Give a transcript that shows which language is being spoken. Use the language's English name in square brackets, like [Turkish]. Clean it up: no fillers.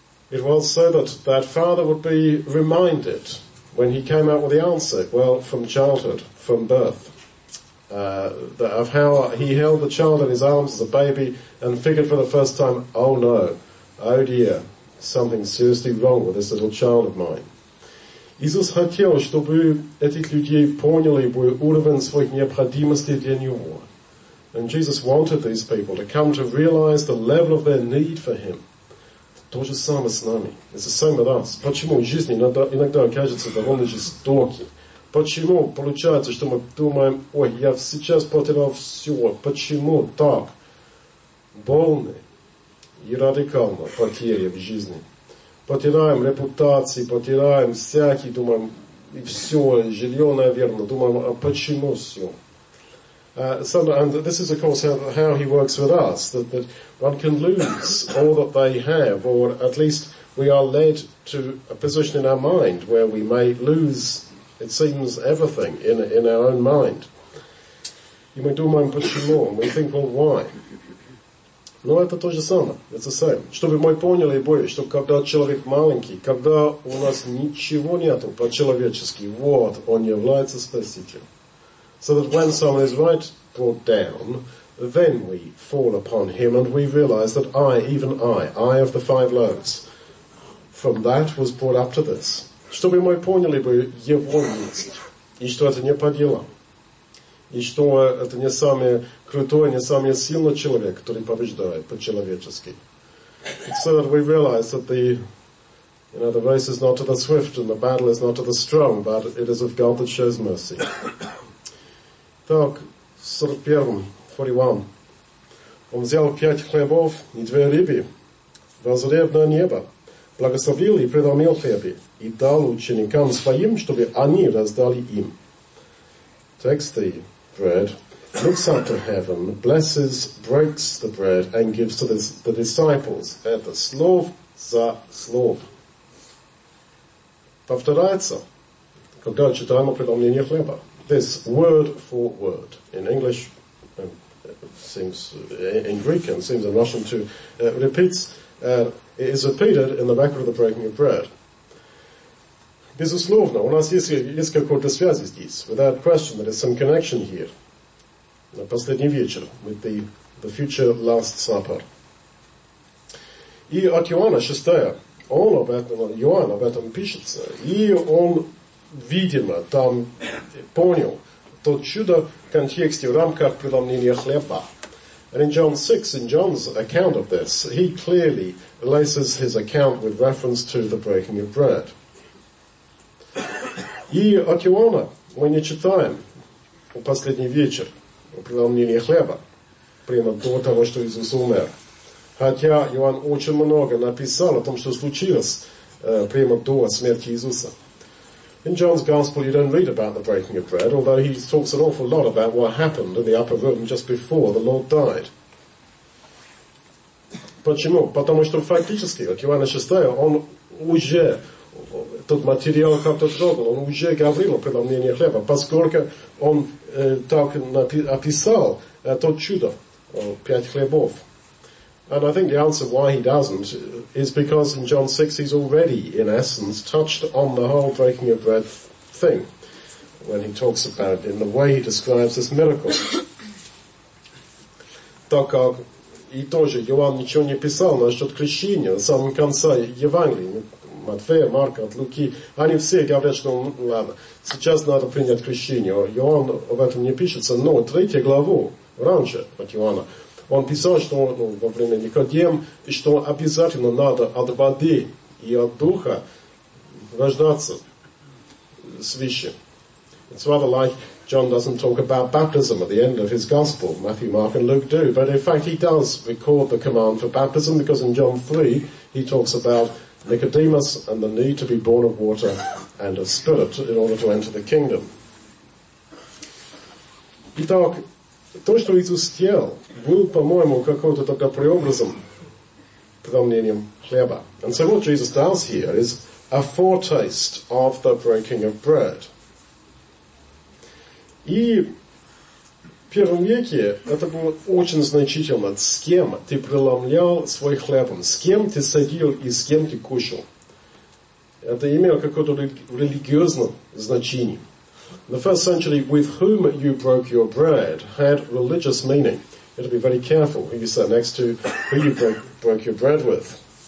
[English] It was so that Father would be reminded when he came out with the answer, well, from childhood, from birth, of how he held the child in his arms as a baby and figured for the first time, oh no, oh dear, something seriously wrong with this little child of mine. [Russian] Иисус хотел, чтобы этих людей поняли бы уровень своих необходимостей для него. [English] And Jesus wanted these people to come to realize the level of their need for him. [Russian] То же самое с нами. [English] It's the same with us. [Russian] Почему в жизни иногда кажется довольно жестоким? Почему получается, что мы думаем, ой, я сейчас потерял все, почему так больно и радикально потеря в жизни? Потеряем репутации, потеряем всякие, думаем, и все, жилье, наверное, думаем, а почему все? [English] And this is, of course, how he works with us, that one can lose all that they have, or at least we are led to a position in our mind where we may lose It seems everything in our own mind. [Russian] И мы думаем, почему? [English] We think, well, why? [Russian] Но это то же самое. [English] It's the same. [Russian] Чтобы мы поняли и более, что когда человек маленький, когда у нас ничего нету по-человечески, вот, он является спасителем. [English] So that when someone is right brought down, then we fall upon him and we realize that I, even I of the five loaves, from that was brought up to this. [Russian] Чтобы мы поняли бы его есть, и что это не по делам, и что это не самый крутой, не самый сильный человек, который побеждает по-человечески. [English] It's so that we realize that the, you know, the race is not to the swift and the battle is not to the strong, but it is of God that shows mercy. [Russian] Так, 41, 41. Он взял пять хлебов и две рыбы, возрев на небо, благословил и преломил хлеби, и дал ученикам своим, чтобы они раздали им. [English] Text 3, bread, looks up to heaven, blesses, breaks the bread, and gives to the disciples. [Russian] Это слов за слов. Повторяется, когда читаем о преломлении хлеба. [English] This word for word in English seems in Greek and seems in Russian too repeats is repeated in the record of the breaking of bread. [Russian] Безусловно, у нас есть какая-то связь здесь. [English] Without question, there is some connection here. [Russian] На последний вечер [English] with the future Last Supper. [Russian] И от Иоанна 6, он об этом, Иоанн об этом пишется, и он видимо, там понял то чудо в контексте, в рамках преломления хлеба. [English] And in John 6, in John's account of this, he clearly laces his account with reference to the breaking of bread. [Russian] И от Иоанна мы не читаем в последний вечер о преломлении хлеба, прямо до того, что Иисус умер. Хотя Иоанн очень много написал о том, что случилось прямо до смерти Иисуса. [English] In John's Gospel, you don't read about the breaking of bread, although he talks an awful lot about what happened in the upper room just before the Lord died. [Russian] Почему? Потому что фактически, от Иоанна 6, он уже, тот материал как-то трогал, он уже говорил о преломлении хлеба, поскольку он так описал то чудо, пять хлебов. [English] And I think the answer why he doesn't is because in John 6 he's already, in essence, touched on the whole breaking of bread thing when he talks about it in the way he describes this miracle. [Russian] Так как и тоже Иоанн ничего не писал насчет крещения, в самом конце Евангелия, Матфея, Марка, от Луки, они все говорят, что ладно, сейчас надо принять крещение. Иоанн об этом не пишется, но третью главу раньше от Иоанна он писал, что ну, во время Никодем, что обязательно надо от воды и от духа рождаться свыше. [English] It's rather like John doesn't talk about baptism at the end of his gospel. Matthew, Mark and Luke do. But in fact he does record the command for baptism because in John 3 he talks about Nicodemus and the need to be born of water and of spirit in order to enter the kingdom. [Russian] Итак, то, что Иисус съел, был, по-моему, какой-то тогда преобразом, преломлением хлеба. [English] And so what Jesus does here is a foretaste of the breaking of bread. [Russian] И в первом веке это было очень значительно, с кем ты преломлял свой хлебом, с кем ты садил и с кем ты кушал. Это имело какое-то религиозное значение. [English] In the first century, with whom you broke your bread had religious meaning. You have to be very careful who you sat next to, who you broke your bread with.